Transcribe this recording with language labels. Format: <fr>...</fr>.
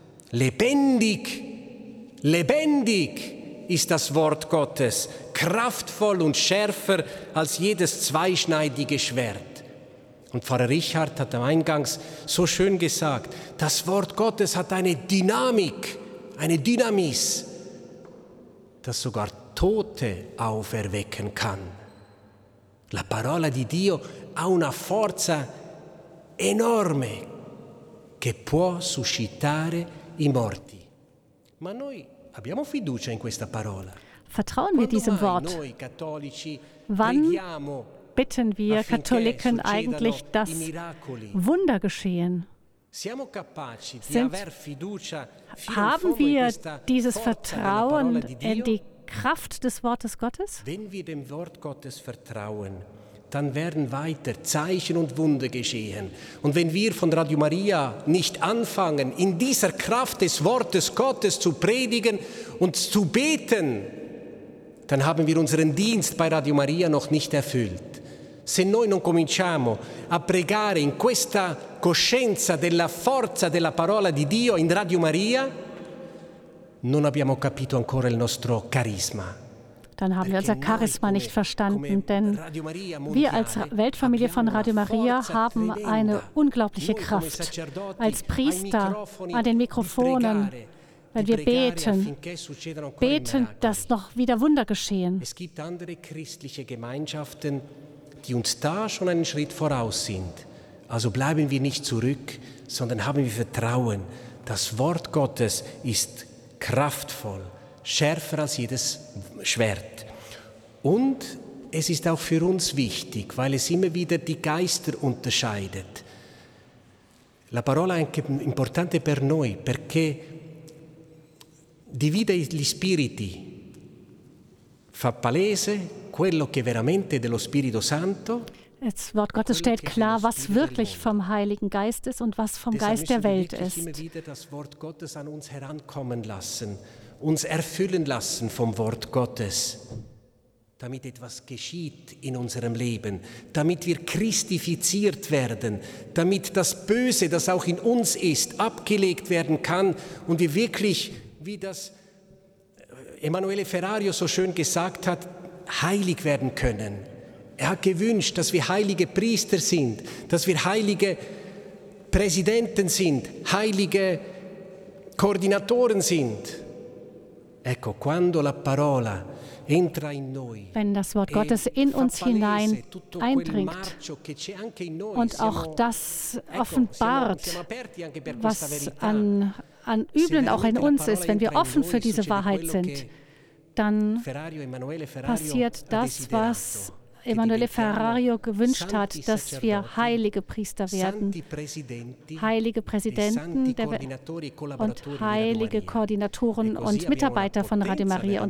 <de>Lebendig, lebendig ist das Wort Gottes, kraftvoll und schärfer als jedes zweischneidige Schwert. Und Pfarrer Richard hat am Eingangs so schön gesagt, das Wort Gottes hat eine Dynamik, eine Dynamis, das sogar Tote auferwecken kann.</de> <it>La parola di Dio ha una forza enorme che può suscitare i morti. Ma noi abbiamo fiducia in questa parola.</it> <de>Vertrauen wir diesem Wort? Wann bitten wir Katholiken eigentlich, dass Wunder geschehen? Haben wir dieses Vertrauen in die Kraft des Wortes Gottes? Wenn wir dem Wort Gottes vertrauen, dann werden weiter Zeichen und Wunder geschehen. Und wenn wir von Radio Maria nicht anfangen, in dieser Kraft des Wortes Gottes zu predigen und zu beten, dann haben wir unseren Dienst bei Radio Maria noch nicht erfüllt.</de> <it>Se noi non cominciamo a pregare in questa coscienza della forza della parola di Dio in Radio Maria, non abbiamo capito ancora il nostro carisma.</it> <de>dann haben wir unser Charisma nicht verstanden, denn wir als Weltfamilie von Radio Maria haben eine unglaubliche Kraft. Als Priester an den Mikrofonen, wenn wir beten, beten, dass noch wieder Wunder geschehen. Es gibt andere christliche Gemeinschaften, die uns da schon einen Schritt voraus sind. Also bleiben wir nicht zurück, sondern haben wir Vertrauen. Das Wort Gottes ist kraftvoll, schärfer als jedes Schwert. Und es ist auch für uns wichtig, weil es immer wieder die Geister unterscheidet.</de> <it>La parola è importante per noi, perché divide gli spiriti, fa palese quello che veramente dello Spirito Santo.</it> <de>Das Wort Gottes stellt klar, was wirklich vom Heiligen Geist ist und was vom Geist der Welt ist. Deshalb müssen wir immer wieder das Wort Gottes an uns herankommen lassen, uns erfüllen lassen vom Wort Gottes, damit etwas geschieht in unserem Leben, damit wir christifiziert werden, damit das Böse, das auch in uns ist, abgelegt werden kann und wir wirklich, wie das Emanuele Ferrario so schön gesagt hat, heilig werden können. Er hat gewünscht, dass wir heilige Priester sind, dass wir heilige Präsidenten sind, heilige Koordinatoren sind.</de> <it>Ecco, quando la parola entra in noi,</it> <de>wenn das Wort Gottes in uns hinein eindringt und auch das offenbart, was an Üblen auch in uns ist, wenn wir offen für diese Wahrheit sind, dann passiert das, was Emanuele Ferrario gewünscht hat, dass wir heilige Priester werden, heilige Präsidenten und heilige Koordinatoren und Mitarbeiter von Radio Maria.</de>